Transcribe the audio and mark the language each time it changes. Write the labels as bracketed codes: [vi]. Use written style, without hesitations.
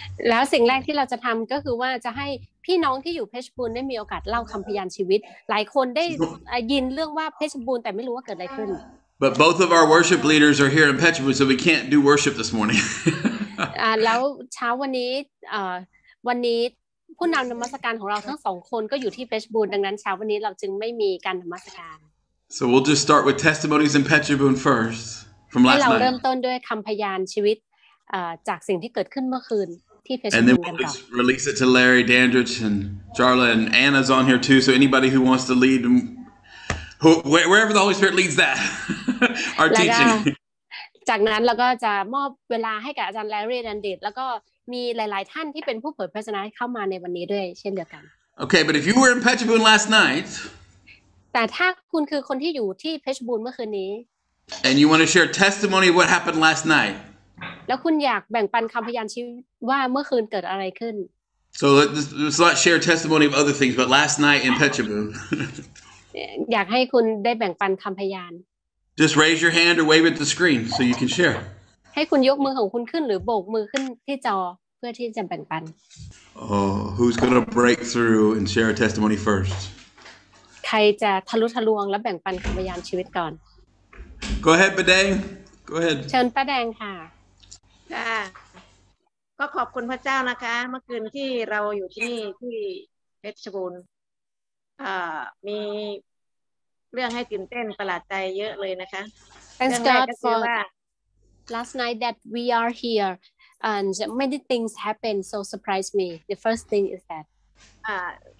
[th] แล้วสิ่งแรกที่เราจะทำก็คือว่าจะให้พี่น้องที่อยู่เพชรบูรณ์ได้มีโอกาสเล่าคำพยานชีวิตหลายคนได้ยินเรื่องว่าเพชรบูรณ์แต่ไม่รู้ว่าเกิดอะไรขึ้น [en] But both of our worship leaders are here in Petchaboon so we can't do worship this morning. [th] แล้วเช้าวันนี้วันนี้ผู้นำนมัสการของเราทั้งสองคนก็อยู่ที่เพชรบูรณ์ดังนั้นเช้าวันนี้เราจึงไม่มีการนมัสการ [en] So we'll just start with testimonies in Petchaboon first from last night. [th] ให้เราเริ่มต้นด้วยคำพยานชีวิตจากสิ่งที่เกิดขึ้นเมื่อคืนที่เพชรบูรณ์กันก่อน [en] And then we'll just release it to Larry Dandridge and Charla and Anna's on here too so anybody who wants to lead wherever the Holy Spirit leads that our teaching. [th] จากนั้นเราก็จะมอบเวลาให้กับอาจารย์แลรี่ดันดิตแล้วก็มีหลายๆท่านที่เป็นผู้เผยพระชนะเข้ามาในวันนี้ด้วยเช่นเดียวกัน [en] โอเค but if you were in Phetchabun last night [th] แต่ถ้าคุณคือคนที่อยู่ที่เพชรบูรณ์เมื่อคืนนี้ [en] and you want to share testimony of what happened last night [th] แล้วคุณอยากแบ่งปันคำพยานชีวิตว่าเมื่อคืนเกิดอะไรขึ้น [en] so let's not share testimony of other things but last night in Phetchabun [th] อยากให้คุณได้แบ่งปันคำพยาน [en] Just raise your hand or wave at the screen so you can share. [th] ให้คุณยกมือของคุณขึ้นหรือโบกมือขึ้นที่จอเพื่อที่จะแบ่งปัน [en] Oh, who's going to break through and share a testimony first? [th] ใครจะทะลุทะลวงและแบ่งปันคำพยานชีวิตก่อน [en] Go ahead, ป้าแดง. Go ahead. [th] เชิญป้าแดงค่ะ ค่ะ ก็ขอบคุณพระเจ้านะคะเมื่อคืนที่เราอยู่ที่นี่ที่เพชรบูรณ์มี [en] Thanks God for last night that we are here and many things happened so surprised me. The first thing is that.